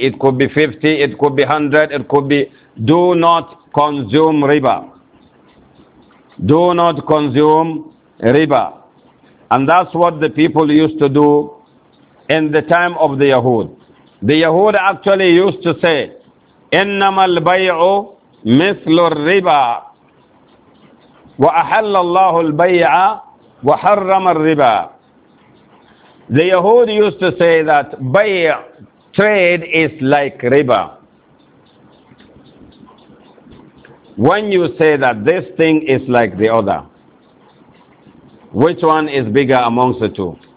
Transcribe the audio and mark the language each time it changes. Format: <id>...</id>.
<en>It could be 50. It could be 100. It could be... Do not consume riba. Do not consume riba. And that's what the people used to do in the time of the Yahud. The Yahud actually used to say,</en> <ar>إنما البيع مثل الربا وأحل الله البيع وحرم الربا.</ar> <en>The Yahud used to say that buy trade is like riba. When you say that this thing is like the other, which one is bigger amongst the two?</en>